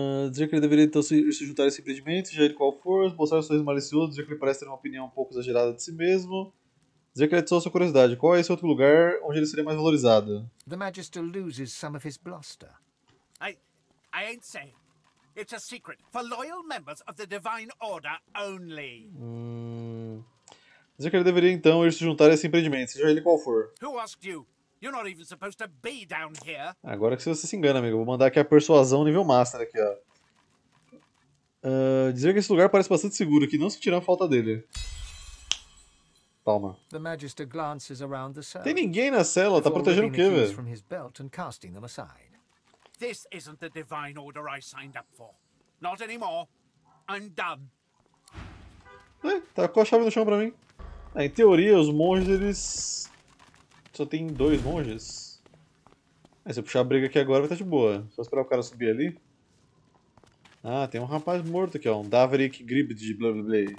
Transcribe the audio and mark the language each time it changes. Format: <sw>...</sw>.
<pt>Dizer que ele deveria então se juntar simplesmente, seja ele qual for, mostrar um sorriso malicioso, dizer que ele parece ter uma opinião um pouco exagerada de si mesmo. Dizer que ele adiciona sua curiosidade. Qual é esse outro lugar onde ele seria mais valorizado?</pt> <en>The Magister loses some of his bluster. I ain't saying. It's a secret for loyal members of the Divine Order only.</en> <pt>Dizer que ele deveria então ir se juntar a esse empreendimento, seja ele qual for.</pt> <en>Who asked you? You're not even supposed to be down here.</en> <pt>Agora que você se engana, amigo, vou mandar aqui a persuasão nível master aqui, ó. Dizer que esse lugar parece bastante seguro, que não se tirar falta dele. Palma.</pt> <en>The Magister glances around the cell.</en> <pt>Tem ninguém na cela, tá protegendo o quê, velho?</pt> <en>From his belt and casting them aside. This isn't the divine order I signed up for. Not anymore. I'm done.</en> <pt>É, tá com a chave no chão pra mim. É, em teoria, os monges, eles... Só tem dois monges. É, se eu puxar a briga aqui agora, vai estar de boa. Só esperar o cara subir ali. Ah, tem um rapaz morto aqui, ó. Um Davrik Grib de blá blá blá.</pt>